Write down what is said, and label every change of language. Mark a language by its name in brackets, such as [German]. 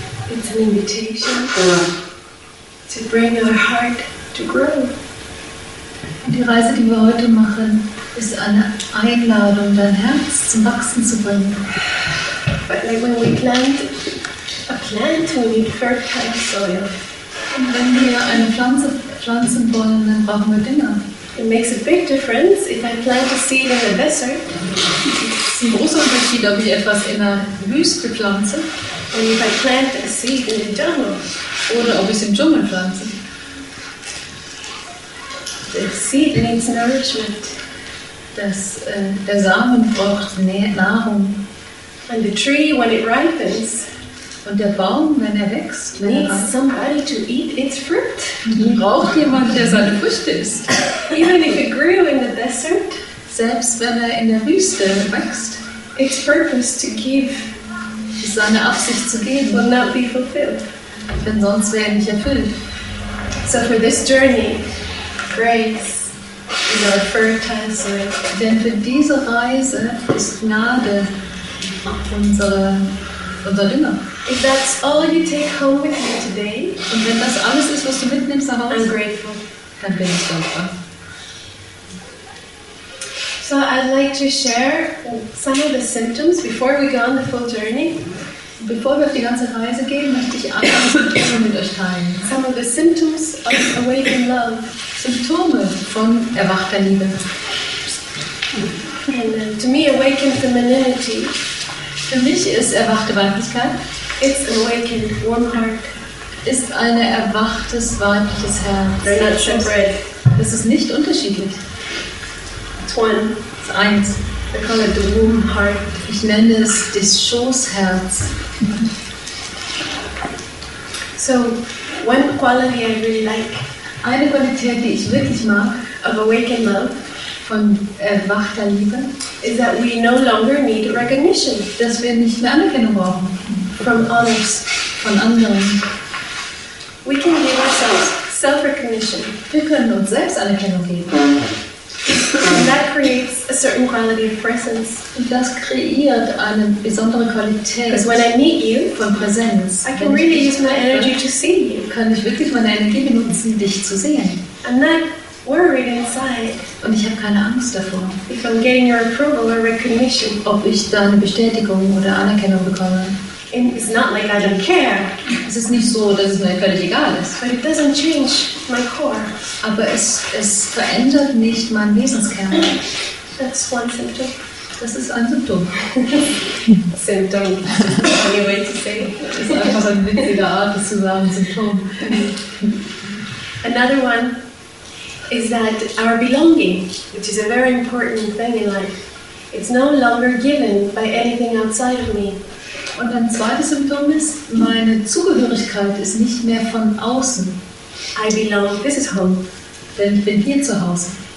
[English] It's an invitation to bring our heart to grow. [German] Und die Reise, die wir heute machen, ist eine Einladung, dein Herz zum Wachsen zu bringen. [English] But like when we plant a plant, we need fertile soil. [German] Und wenn wir eine Pflanze pflanzen wollen, dann brauchen wir Dünger. [English] It makes a big difference if I plant a seed in a desert. [German] Es ist ein großer Unterschied, ob ich etwas in einer Wüste pflanze. [English] Or if I plant a seed in the jungle. [German] Oder ob ich es im Dschungel pflanze. [English] The seed needs nourishment. [German] Der Samen braucht Nahrung. [English] And the tree, when it ripens, [German] und der Baum, wenn er wächst, wenn [English] needs [German] er wächst, [English] somebody to eat its fruit. [German] Braucht jemand, der seine Früchte isst. [English] Even if it grew in the desert, [German] selbst wenn er in der Wüste wächst, [English] its purpose to give, [German] seine Absicht zu geben, [English] will not be fulfilled. [German] Denn sonst wäre er nicht erfüllt. [English] So for this journey, grace is our fertile soil. [German] Denn für diese Reise ist Gnade unser Dünger. [English] If that's all you take home with you today, [German] und wenn das alles ist, was du mitnimmst nach Hause, [English] I'm grateful. [German] Dann bin ich dankbar. [English] So I'd like to share some of the symptoms before we go on the full journey. [German] Bevor wir auf die ganze Reise gehen, möchte ich einige Symptome mit euch teilen. [English] Some of the symptoms of awakened love. [German] Symptome von erwachter Liebe. [English] And to me, awakened femininity. [German] Für mich ist erwachte Weiblichkeit. [English] It's awakened warm heart. [German] Ist ein erwachtes weibliches Herz. [English] They're not separate. [German] Das ist nicht unterschiedlich. [English] It's one. [German] Es ist eins. [English] I call it the womb heart. [German] Ich nenne es das Schoßherz. [English] So, one quality I really like. [German] Eine Qualität, die ich wirklich mag, [English] of awakened love, [German] von erwachter Liebe, [English] is that we no longer need recognition. [German] Dass wir nicht mehr Anerkennung brauchen. [English] From others. [German] Von anderen. [English] We can give ourselves self-recognition. [German] Wir können uns selbst Anerkennung geben. [English] And that creates a certain quality of presence. [German] Und das kreiert eine besondere Qualität. [English] Because when I meet you, [German] von Präsenz, [English] I can really use my energy to see you. [German] Kann ich wirklich meine Energie benutzen, dich zu sehen. [English] I'm not worried inside. [German] Und ich habe keine Angst davor. [English] If I'm getting your approval or recognition, [German] ob ich deine Bestätigung oder Anerkennung bekomme. [English] It's not like I don't care. [German] Es ist nicht so, dass es mir völlig egal ist. [English] But it doesn't change my core. [German] Aber es verändert nicht meinen Wesenskern. [English] That's one symptom. [German] Das ist ein Symptom. [English] Symptom. Any way to say it. [German] Das ist einfach eine witzige Art, das zu sagen, Symptom. [English] Another one is that our belonging, which is a very important thing in life, it's no longer given by anything outside of me. [German] Und ein zweites Symptom ist, meine Zugehörigkeit ist nicht mehr von außen. [English] I belong, this is home. [German] Denn ich bin hier zu Hause.